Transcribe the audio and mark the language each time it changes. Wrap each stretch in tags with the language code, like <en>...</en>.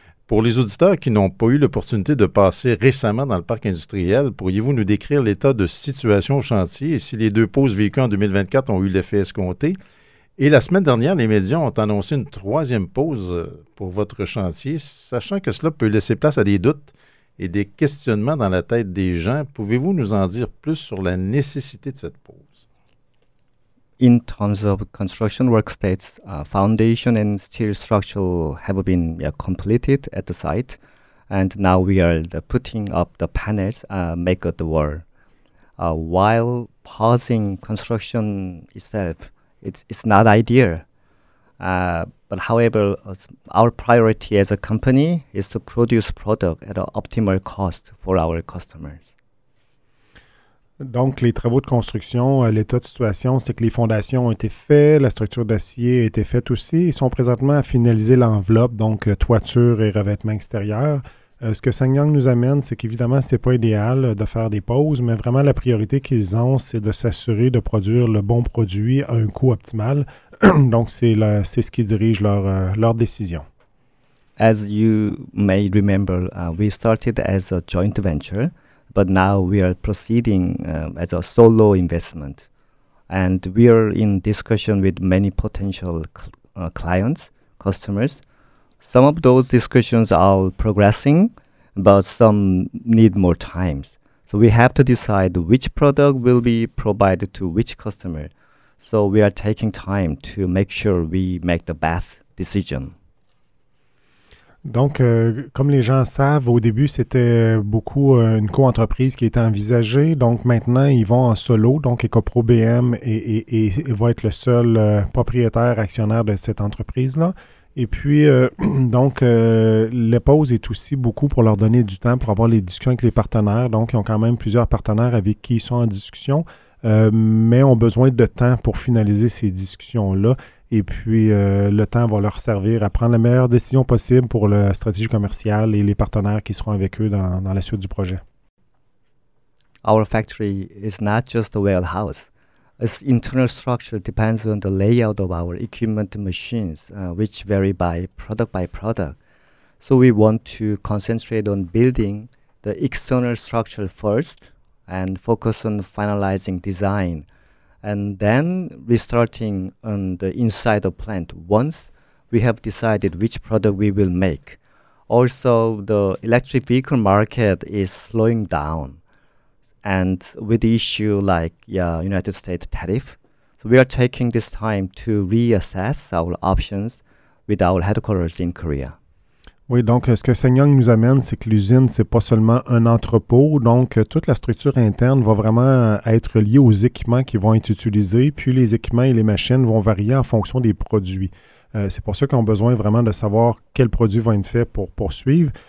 <fr>Pour les auditeurs qui n'ont pas eu l'opportunité de passer récemment dans le parc industriel, pourriez-vous nous décrire l'état de situation au chantier et si les deux pauses vécues en 2024 ont eu l'effet escompté? Et la semaine dernière, les médias ont annoncé une troisième pause pour votre chantier, sachant que cela peut laisser place à des doutes et des questionnements dans la tête des gens. Pouvez-vous nous en dire plus sur la nécessité de cette pause?</fr> <en>In terms of construction work states, foundation and steel structural have been completed at the site, and now we are putting up the panels make the wall. While pausing construction itself, it's not ideal. However, our priority as a company is to produce product at an optimal cost for our customers.</en> <fr>Donc, les travaux de construction, l'état de situation, c'est que les fondations ont été faites, la structure d'acier a été faite aussi. Ils sont présentement à finaliser l'enveloppe, donc toiture et revêtement extérieur. Ce que SsangYong nous amène, c'est qu'évidemment, ce n'est pas idéal de faire des pauses, mais vraiment, la priorité qu'ils ont, c'est de s'assurer de produire le bon produit à un coût optimal. Donc, c'est ce qui dirige leur décision.</fr> <en>As you may remember, we started as a joint venture. But now we are proceeding as a solo investment. And we are in discussion with many potential clients, customers. Some of those discussions are progressing, but some need more time. So we have to decide which product will be provided to which customer. So we are taking time to make sure we make the best decision.</en> <fr>Donc, comme les gens savent, au début, c'était beaucoup une co-entreprise qui était envisagée. Donc, maintenant, ils vont en solo. Donc, EcoPro BM va être le seul propriétaire actionnaire de cette entreprise-là. Et puis, la pause est aussi beaucoup pour leur donner du temps pour avoir les discussions avec les partenaires. Donc, ils ont quand même plusieurs partenaires avec qui ils sont en discussion, mais ont besoin de temps pour finaliser ces discussions-là. Et puis, le temps va leur servir à prendre la meilleure décision possible pour la stratégie commerciale et les partenaires qui seront avec eux dans la suite du projet.</fr> <en>Our factory is not just a warehouse. Its internal structure depends on the layout of our equipment machines, which vary by product by product. So we want to concentrate on building the external structure first and focus on finalizing design. And then restarting on the inside of plant once we have decided which product we will make. Also, the electric vehicle market is slowing down and with the issue like United States tariff. So we are taking this time to reassess our options with our headquarters in Korea.</en> <fr>Oui, donc ce que SsangYong nous amène, c'est que l'usine, c'est pas seulement un entrepôt, donc toute la structure interne va vraiment être liée aux équipements qui vont être utilisés, puis les équipements et les machines vont varier en fonction des produits. C'est pour ça qu'on a besoin vraiment de savoir quels produits vont être faits pour poursuivre.</fr>